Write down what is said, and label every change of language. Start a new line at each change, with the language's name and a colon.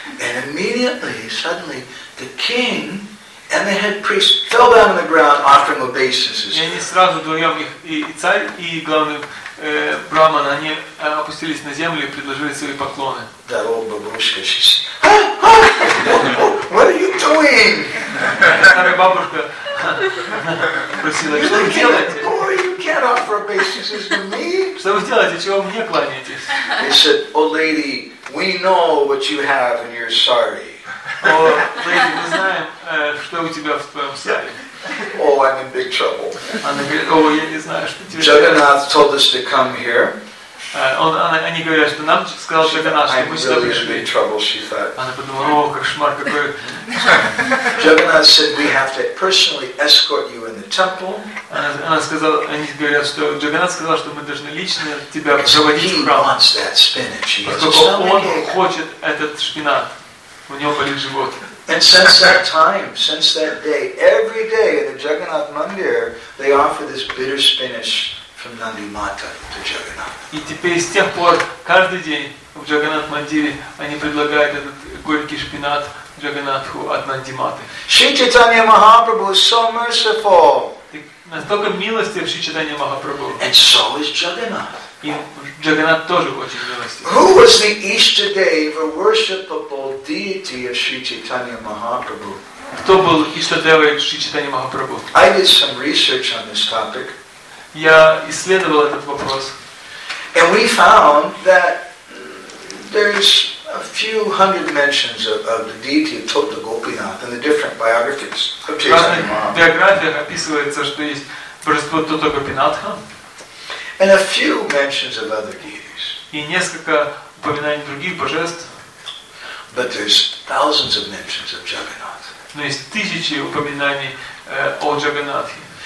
English: And immediately, suddenly, the king and the head priest fell down on the ground, offering obeisances.
Russian: И они сразу вдвоем, их и царь и главный брахман, они опустились на землю и предложили свои поклоны.
English: The old бабушка, she said, "What are you doing?"
Russian: Старая бабушка. Просила, что вы делаете?
English: Boy, you can't offer obeisances to me.
Russian: Что вы делаете? Чего вы мне кланяетесь?
English: He said, "Oh, lady, we know what you have in your sari." Oh, lady,
Russian: мы знаем, что у тебя в твоем сари.
English: Oh, I'm in big trouble.
Russian: Она говорит, о, я не знаю, что тебе.
English: Juggernaut told us to come here.
Russian: Они говорят, что нам сказал Джаганнат, что мы сюда пришли.
English: Trouble, she thought.
Russian: Она подумала, о, кошмар какой.
English: Джаганнат said, we have to personally escort you in the temple.
Russian: Она сказала, они говорят, что Джаганнат сказал, что мы должны лично тебя проводить в храм.
English: Wants that spinach.
Russian: Он хочет этот шпинат. У него болит живот.
English: And since that time, since that day, every day in the Juggernaut Mandir, they offer this bitter spinach. From Nandimata to Jagannath.
Russian: И теперь с тех пор каждый день в Джаганнат Мандире они предлагают этот горький шпинат Джаганнатху от Нандиматы.
English: Шри Чайтанья Махапрабху is so merciful.
Russian: Настолько милостив Шри Чайтанья Махапрабху.
English: And so is Jagannath.
Russian: И Джаганнат тоже очень милостив.
English: Who was the Ishtadeva worshipable deity of Шри Чайтанья Махапрабху?
Russian: Кто был Ishtadeva Шри Чайтанья Махапрабху?
English: I did some research on this topic.
Russian: Я исследовал этот вопрос.
English: And we found that there's a few hundred mentions of the deity of Tota Gopinath in the different biographies of Chaitanya Mahaprabhu.
Russian: В биографиях описывается, что есть божество Тота Гопинатха.
English: And a few mentions of other deities.
Russian: И несколько упоминаний других божеств.
English: But there's thousands of mentions of Jagannath.
Russian: Но есть тысячи упоминаний о Джаганнатхе.